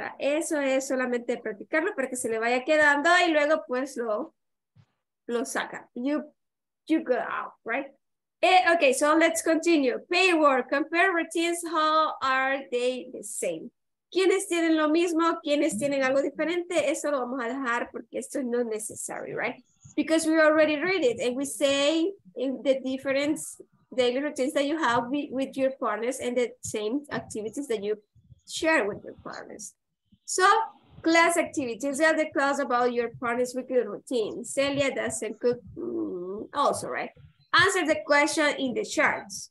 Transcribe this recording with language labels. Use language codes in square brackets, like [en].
[es] Eso es solamente practicarlo para que se le vaya quedando y luego pues lo saca. [en] You go out, right? Okay, so let's continue. Paywork, compare routines, how are they the same? [es] ¿Quiénes tienen lo mismo? ¿Quiénes tienen algo diferente? Eso lo vamos a dejar porque esto no es necesario, right? [en] Because we already read it and we say in the different daily routines that you have with your partners and the same activities that you share with your partners. So class activities, are the class about your partner's weekly routine. Celia doesn't cook also, right? Answer the question in the charts.